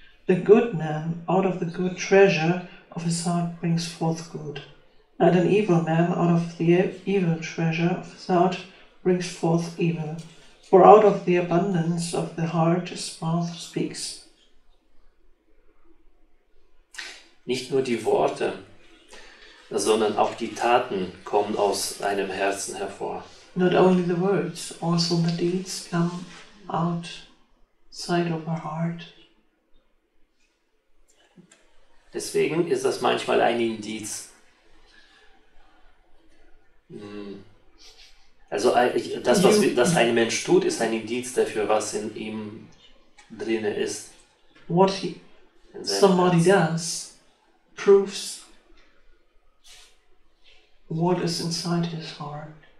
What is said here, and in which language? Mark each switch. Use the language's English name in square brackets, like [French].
[English] The good man out of the good treasure of his heart brings forth good. And an evil man out of the evil treasure of his heart brings forth evil. For out of the abundance of the heart his mouth speaks. [German] Nicht nur die Worte, sondern auch die Taten kommen aus einem Herzen hervor. [English] Not only the words, also the deeds come out side of our heart. [German] Deswegen ist das manchmal ein Indiz. Also das, was ein Mensch tut, ist ein Indiz dafür, was in ihm drin ist. [English] What somebody does proves what is inside his heart.